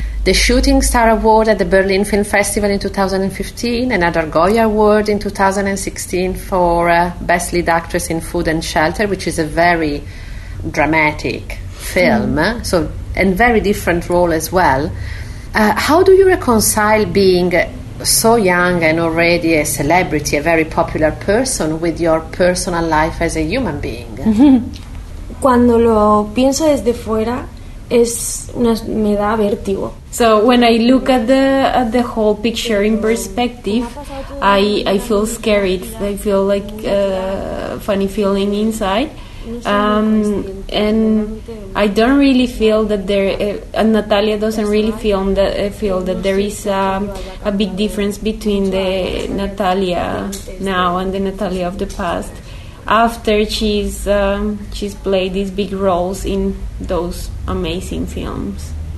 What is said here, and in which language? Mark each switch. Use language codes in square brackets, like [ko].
[en] The Shooting Star Award at the Berlin Film Festival in 2015, another Goya Award in 2016 for Best Lead Actress in Food and Shelter, which is a very dramatic film, so, and very different role as well. How do you reconcile being so young and already a celebrity, a very popular person, with your personal life as a human being? [es] Cuando lo pienso desde fuera, es una, me da vértigo. [en] So when I look at the whole picture in perspective, I feel scared. I feel like a funny feeling inside. And I don't really feel that there, and Natalia doesn't really feel that there is a big difference between the Natalia now and the Natalia of the past, after she's played these big roles in those amazing films.